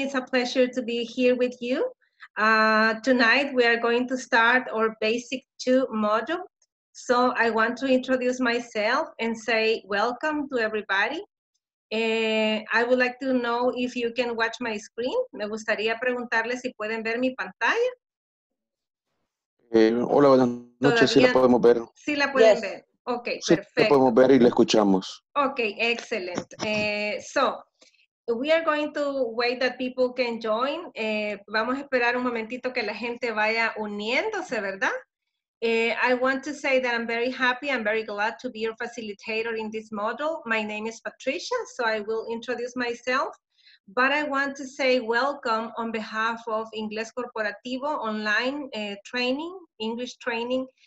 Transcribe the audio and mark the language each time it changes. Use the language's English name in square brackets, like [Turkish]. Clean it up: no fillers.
[English] It's a pleasure to be here with you. Tonight, we are going to start our basic 2 module. So I want to introduce myself and say welcome to everybody. I would like to know if you can watch my screen. [Spanish] Me gustaría preguntarle si pueden ver mi pantalla. Hola, buenas noches. Sí, la podemos ver. Sí, la pueden yes. ver. Okay, sí, perfecto. La podemos ver y la escuchamos. [English] Okay, excellent. So, we are going to wait that people can join. [Spanish] Vamos a esperar un momentito que la gente vaya uniéndose, ¿verdad? [English] I want to say that I'm very happy, I'm very glad to be your facilitator in this module. My name is Patricia, so I will introduce myself. But I want to say welcome on behalf of Ingles Corporativo online training, English training.